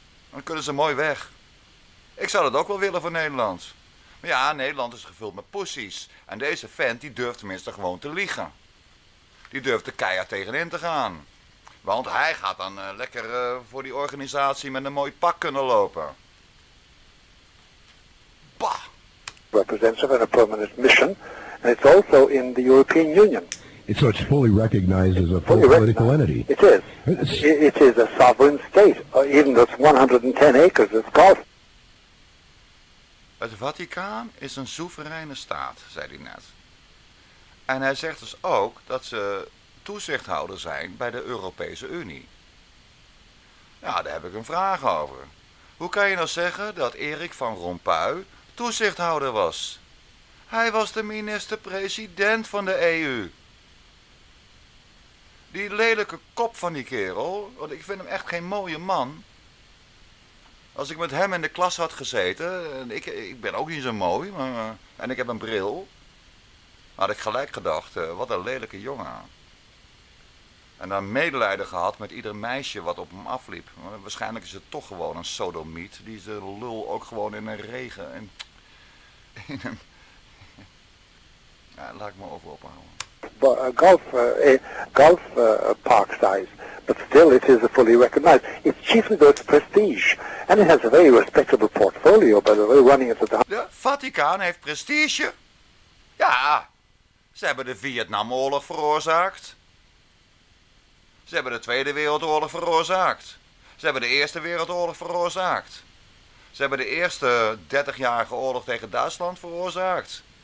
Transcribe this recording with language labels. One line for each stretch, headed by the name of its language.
Dutch: Dan kunnen ze mooi weg. Ik zou dat ook wel willen voor Nederland. Maar ja, Nederland is gevuld met pussies. En deze vent, die durft tenminste gewoon te liegen. Die durft er keihard tegenin te gaan. Want hij gaat dan lekker voor die organisatie met een mooi pak kunnen lopen. Bah!
English: Representative and a permanent mission, and it's also in the European Union. And so it's fully recognized as a full political entity. It is. It is a sovereign state, even though it's 110 acres of golf.
Dutch: Het Vaticaan is een soevereine staat, zei hij net. En hij zegt dus ook dat ze toezichthouder zijn bij de Europese Unie. Ja, daar heb ik een vraag over. Hoe kan je nou zeggen dat Erik van Rompuy toezichthouder was? Hij was de minister-president van de EU. Die lelijke kop van die kerel, want ik vind hem echt geen mooie man. Als ik met hem in de klas had gezeten, en ik ben ook niet zo mooi, maar, en ik heb een bril, had ik gelijk gedacht, wat een lelijke jongen. En dan medelijden gehad met ieder meisje wat op hem afliep. Waarschijnlijk is het toch gewoon een sodomiet die ze lul ook gewoon in een regen. Ja, laat ik me over ophouden.
English: But golf park size, but still it is a fully recognized. It's chiefly though it's prestige. And it has a very respectable portfolio, by the way, running it at the.
Dutch: De Vaticaan heeft prestige. Ja, ze hebben de Vietnamoorlog veroorzaakt. Ze hebben de Tweede Wereldoorlog veroorzaakt. Ze hebben de Eerste Wereldoorlog veroorzaakt. Ze hebben de eerste 30-jarige oorlog tegen Duitsland veroorzaakt.